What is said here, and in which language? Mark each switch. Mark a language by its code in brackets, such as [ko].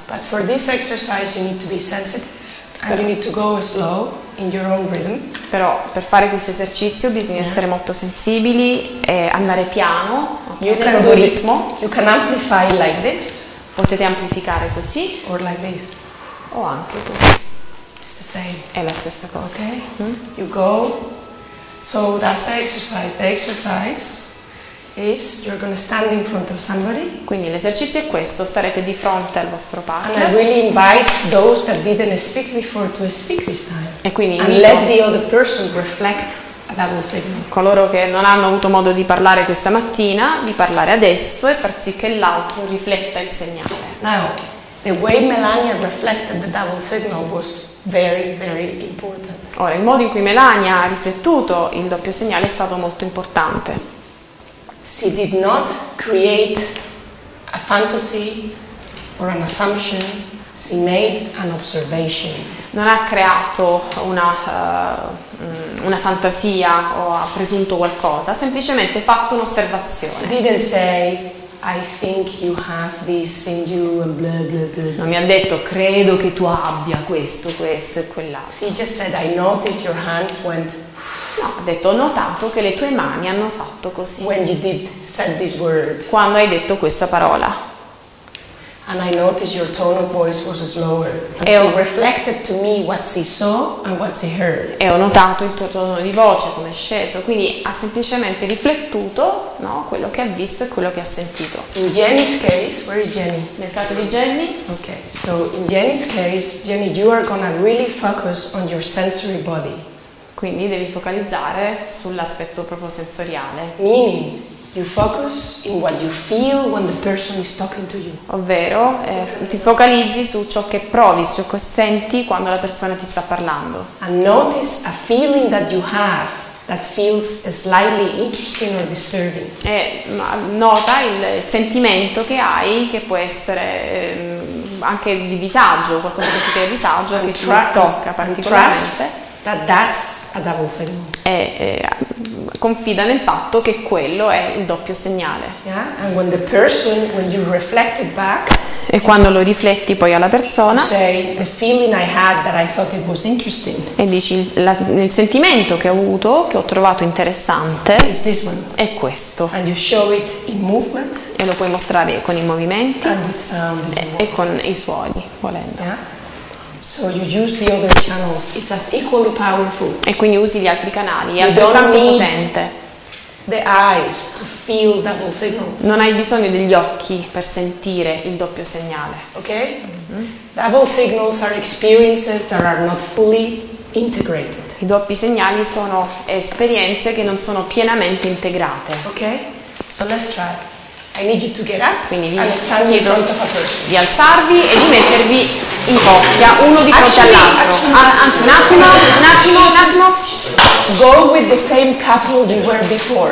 [en] But for this exercise you need to be sensitive and you need to go slow in your own rhythm. [it] Però per fare questo esercizio bisogna essere molto sensibili e andare piano, [en] you can [it] do ritmo. [en] You can amplify like this. [it] Potete amplificare così. [en] Or like this. [it] O anche così. [en] It's the same. [it] È la stessa cosa. [en] Okay. Mm? You go. So that's the exercise. The exercise is you're gonna stand in front of somebody. [it] Quindi l'esercizio è questo, starete di fronte al vostro partner. [en] And I really invite those that didn't speak before to speak this time. [it] E quindi [en] and let the other person reflect. [it] Coloro che non hanno avuto modo di parlare questa mattina, di parlare adesso e far sì che l'altro rifletta il segnale. [en] Now, the way Melania reflected the double signal was very, very important. [it] Ora, il modo in cui Melania ha riflettuto il doppio segnale è stato molto importante. [en] She did not create a fantasy or an assumption. She made an observation. [it] Non ha creato una fantasia o ha presunto qualcosa, ha semplicemente fatto un'osservazione. [en] She didn't say, I think you have this in you and blah, blah, blah. [it] Non mi ha detto, credo che tu abbia questo, questo e quell'altro. [en] She just said, I noticed your hands went. [it] No, ha detto, ho notato che le tue mani hanno fatto così. [en] When you did said this word. [it] Quando hai detto questa parola. [en] And I noticed your tone of voice was slower. And she reflected to me what she saw and what she heard. [it] E ho notato il tuo tono di voce come è sceso. Quindi ha semplicemente riflettuto, no, quello che ha visto e quello che ha sentito. [en] In Jenny's case, where is Jenny? [it] Nel caso di Jenny. [en] Okay. So in Jenny's case, Jenny, you are gonna really focus on your sensory body. [it] Quindi devi focalizzare sull'aspetto proprio sensoriale. [en] Meaning. You focus in what you feel when the person is talking to you. [it] Ovvero, ti focalizzi su ciò che provi, su ciò che senti quando la persona ti sta parlando. [en] And notice a feeling that you have that feels slightly interesting or disturbing. [it] E nota il sentimento che hai che può essere anche di disagio, qualcosa che ti dà disagio, che ti tocca particolarmente. [en] That that's a double signal. [it] Confida nel fatto che quello è il doppio segnale. [en] Yeah? And when the person, when you reflect it back, [it] e quando lo rifletti poi alla persona, [en] say, the feeling I had that I thought it was interesting. [it] E dici il sentimento che ho avuto, che ho trovato interessante, [en] is this one. [it] È questo. [en] And you show it in movement. [it] E lo puoi mostrare con i movimenti [en] and with sound [it] e con i suoni, volendo. [en] Yeah? So you use the other channels. It's as equally powerful. [it] E quindi usi gli altri canali, è altrettanto potente. [en] The eyes to feel double signals. [it] Non hai bisogno degli occhi per sentire il doppio segnale. [en] Okay? Mm-hmm. Double signals are experiences that are not fully integrated. [it] I doppi segnali sono esperienze che non sono pienamente integrate. [en] Okay? So let's try. I need you to get up. [it] Quindi vi chiedo di alzarvi e di mettervi in coppia, uno di fronte all'altro. Anzi, un attimo. [en] Go with the same couple you were before.